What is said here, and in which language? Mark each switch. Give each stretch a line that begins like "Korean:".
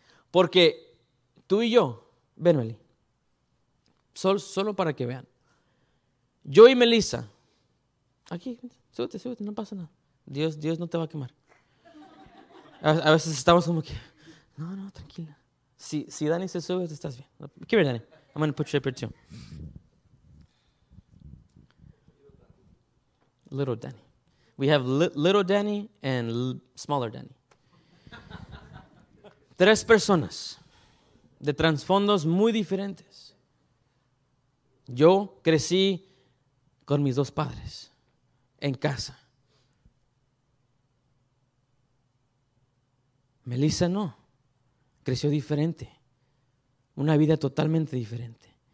Spanish: Porque tú y yo, ven Meli, solo para que vean. Yo y Melissa, aquí, súbete, no pasa nada. Dios no te va a quemar. A veces estamos como que, no, tranquila. Si Dani se sube, estás bien.
English: Come here, Dani. I'm going to put you up here too. Little Danny. We have little Danny and smaller Danny.
Spanish: Tres personas de trasfondos muy diferentes. Yo crecí con mis dos padres en casa. Melissa no. Creció diferente. Una vida totalmente diferente.